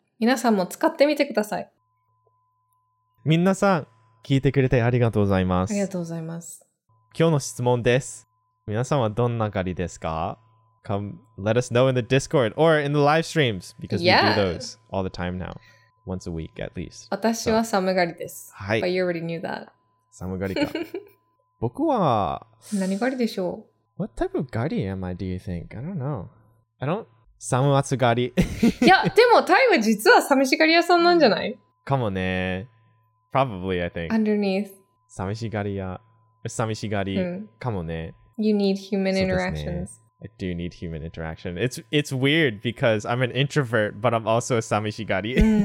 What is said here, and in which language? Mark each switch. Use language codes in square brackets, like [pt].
[ja] 皆さんも使ってみてください。皆さん、聞いてくれてありがとうございます。ありがとうございます。今日の質問です。皆さんはどんなガリですか? [en] Come let us know in the Discord or in the live streams because we do those all the time now. Once a week, at least. [ja] 私は寒がりです。 [en] But you already knew that. [ja] サムガリか。僕は何ガリでしょう。 [en] What type of ガリ am I? Do you think? I don't know. I don't. [ja] サム暑ガリ。いやでもタイは実は寂しがり屋さんなんじゃない？かもね。 [en] Probably I think. Underneath. [ja] 寂しがり屋、寂しがり、かもね。 [en] You need human interactions. I do need human interaction. It's weird because I'm an introvert, but I'm also a samishigari.